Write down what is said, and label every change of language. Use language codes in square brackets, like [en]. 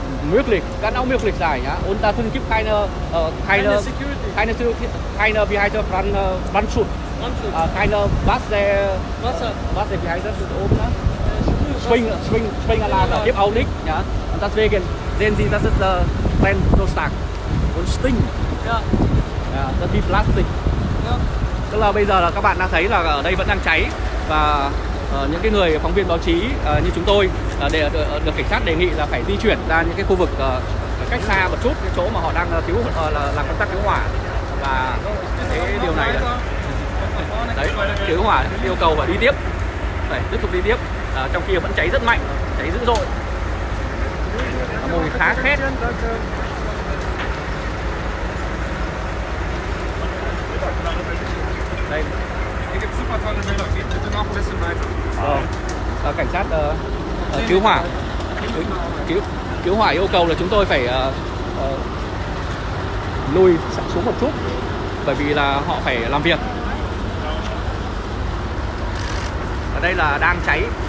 [de] Möglich, kann auch möglich sein, ja. Und da drin gibt keine wie heißt das, Brandschutz. Keine Wasser, wie heißt das oben? Ne? Springanlage, gibt auch nicht. Ja. Und deswegen sehen Sie, das ist brennt so stark und stinkt. Ja. Ja, das ist wie Plastik. Ja. [vi] Tức là bây giờ là các bạn đang thấy là ở đây vẫn đang cháy và những cái người phóng viên báo chí như chúng tôi được cảnh sát đề nghị là phải di chuyển ra những cái khu vực cách xa một chút, cái chỗ mà họ đang cứu là làm công tác cứu hỏa và cái điều này. Đấy, cứu hỏa yêu cầu và đi tiếp, phải tiếp tục đi tiếp, trong kia vẫn cháy rất mạnh, cháy dữ dội, mùi khá khét. Đây. [de] Hier gibt's super tolle Bilder. Geht bitte noch ein bisschen weiter. [vi] Cảnh sát cứu hỏa. Cứu hỏa yêu cầu là chúng tôi phải lùi xuống một chút bởi vì là họ phải làm việc. Ở đây là đang cháy.